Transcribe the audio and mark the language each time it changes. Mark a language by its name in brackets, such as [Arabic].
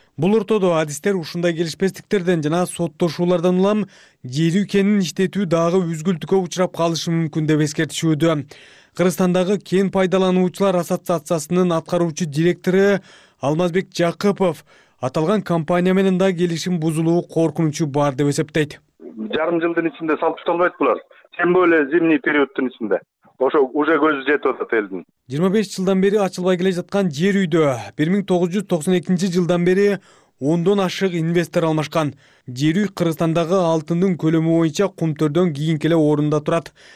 [Kyrgyz] Бул ортодо адистер ушундай келишпестиктерден жана соттошуулардан улам жерүү кенин иштетүү дагы үзгүлтүккө учурап калышы мүмкүн деп эскертишүүдө. Кыргызстандагы кен пайдалануучулар ассоциациясынын аткаруучу директору Алмазбек Жакыпов аталган компания менен да келишим бузулуу коркунучу бар деп эсептейт. Жарым жылдын ичинде салып тышталбайт булар. [Russian] Тем более зимний [Kyrgyz] периодтун ичинде. Ошо уже көзү жетип атат элдин. 25 жылдан бери ачылбай келе жаткан жер үйдө 1992 жылдан бери 10 ашык инвестор алмашкан. Жер үй Кыргызстандагы алтындын көлөмү боюнча кумтөрдөн кийинки эле орунда турат.